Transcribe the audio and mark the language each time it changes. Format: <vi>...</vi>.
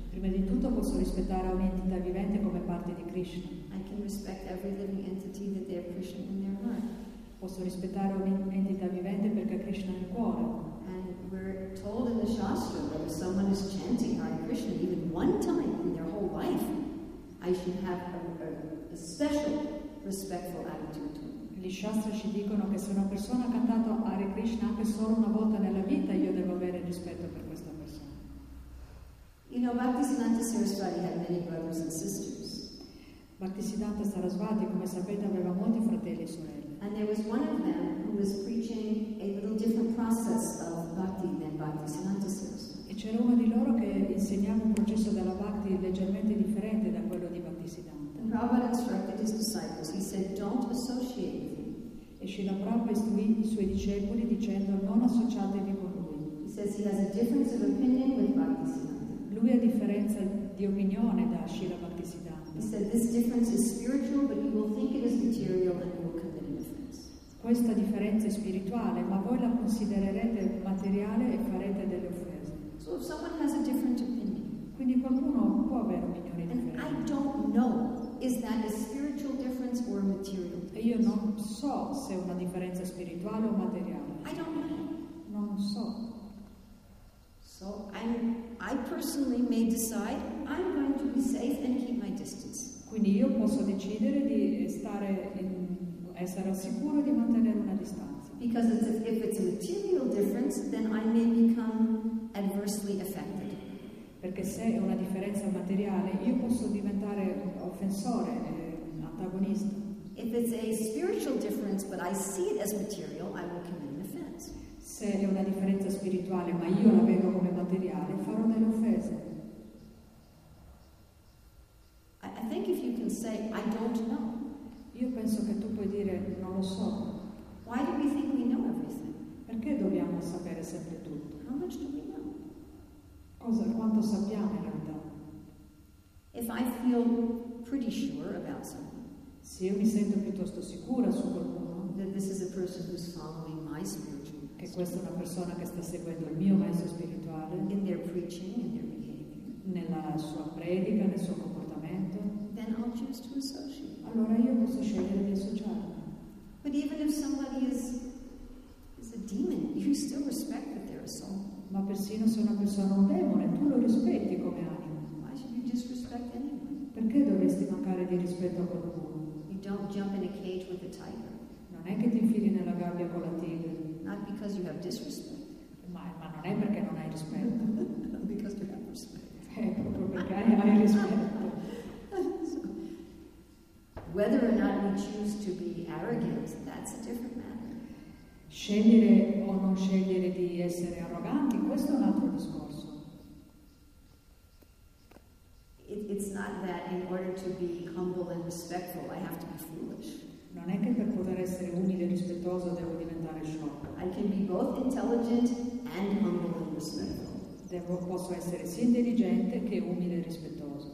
<it>Prima di tutto posso rispettare ogni entità vivente come parte di Krishna.</it> <en>I can respect every living entity that they are Krishna in their heart.</en> <it>Posso rispettare ogni entità vivente perché Krishna è nel cuore.</it> <en>And we're told in the Shastra that if someone is chanting Hare Krishna even one time in their whole life, I should have a special respectful attitude.</en> <it>Gli Shastra ci dicono che se una persona ha cantato Hare Krishna anche solo una volta nella vita, io devo avere rispetto per questa persona.</it> <en>You know, Bhaktisiddhanta Sarasvati had many brothers and sisters.</en> <it>Bhaktisiddhanta Sarasvati, come sapete, aveva molti fratelli e sorelle.</it> <en>And there was one of them who was preaching a little different process of bhakti than Bhaktisiddhanta Sarasvati.</en> <it>E c'era uno di loro che insegnava un processo della bhakti leggermente differente da quello di Bhaktisiddhanta.</it> <en>Prabhupada instructed his disciples. He said, "Don't associate with him."</en> <it>E Srila Prabhupada istruì i suoi discepoli dicendo, "Non associatevi con lui."</it> <en>He says he has a difference of opinion with Bhaktisiddhanta.</en> <it>Lui ha differenza di opinione da Srila Bhaktisiddhanta.</it> <en>He said, "This difference is spiritual, but you will think it is material and you will commit an offense."</en> <it>Questa differenza è spirituale, ma voi la considererete materiale e farete delle offese.</it> <en>So if someone has a different opinion,</en> <it>quindi qualcuno può avere un'opinione differente.</it> <en>I don't know, is that a spiritual difference or a material difference?</en> <it>Io non so se è una differenza spirituale o materiale.</it> <en>I don't know.</en> <it>Non so.</it> <en>So I personally may decide I'm going to be safe and keep my distance.</en> <it>Quindi io posso decidere di stare essere al sicuro e di mantenere una distanza.</it> <en>Because if it's a material difference, then I may become adversely affected.</en> <it>Perché se è una differenza materiale, io posso diventare offensore, antagonista.</it> <en>If it's a spiritual difference, but I see it as material, I will commit an offense.</en> <it>Se è una differenza spirituale, ma io la vedo come materiale, farò delle offese.</it> <en>I think if you can say, I don't know.</en> <it>Io penso che tu puoi dire, non lo so.</it> <en>Why do we think we know everything?</en> <it>Perché dobbiamo sapere sempre tutto?</it> <en>How much do we know?</en> <it>Cosa, quanto sappiamo in realtà?</it> <en>If I feel pretty sure about someone,</en> <it>se io mi sento piuttosto sicura su qualcuno,</it> <en>that this is a person who's following my spiritual,</en> <it>che questa è una persona che sta seguendo il mio maestro spirituale,</it> <en>in their preaching, in their behavior,</en> <it>nella sua predica, nel suo comportamento,</it> <en>then I'll choose to associate.</en> <it>Allora io posso scegliere di associarmi.</it> <en>But even if somebody is a demon, you still respect that they're a soul.</en> <it>Ma persino se una persona è un demone, tu lo rispetti come anima.</it> <en>Why should you disrespect anyone?</en> <it>Perché dovresti mancare di rispetto a qualcuno?</it> <en>You don't jump in a cage with a tiger.</en> <it>Non è che ti infili nella gabbia con la tigre.</it> <en>Not because you have disrespect.</en> <it>Ma non è perché non hai rispetto.</it> <en>Because you have respect.</en> <it>È proprio perché hai rispetto. So,</it> <en>whether or not we choose to be arrogant, that's a different matter.</en> <it>Scegliere o non scegliere di essere arroganti, questo è un altro discorso.</it> <en>It's not that in order to be humble and respectful I have to be foolish.</en> <it>Non è che per poter essere umile e rispettoso devo diventare sciocco.</it> <en>I can be both intelligent and humble and respectful.</en> <it>Posso essere sia intelligente che umile e rispettoso.</it>